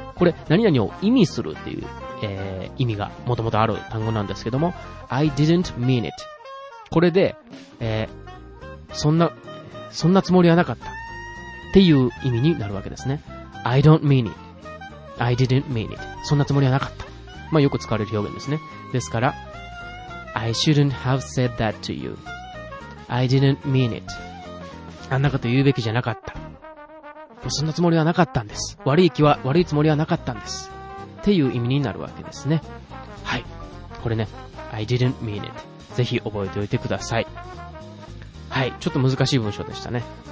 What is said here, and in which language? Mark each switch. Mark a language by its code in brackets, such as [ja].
[ja] これ、何々を意味するっていう。意味がもともとある単語なんですけども、 [en] I didn't mean it。 [ja] これで、そんなつもりはなかったっていう意味になるわけですね。 [en] I don't mean it。 I didn't mean it。 [ja] そんなつもりはなかった。まあよく使われる表現ですね。ですから、 [en] I shouldn't have said that to you。 I didn't mean it。 [ja] あんなこと言うべきじゃなかった。そんなつもりはなかったんです。悪いつもりはなかったんです。っていう意味になるわけですね。はい、これね、 [en] I didn't mean it。 [ja] ぜひ覚えておいてください。はい、ちょっと難しい文章でしたね。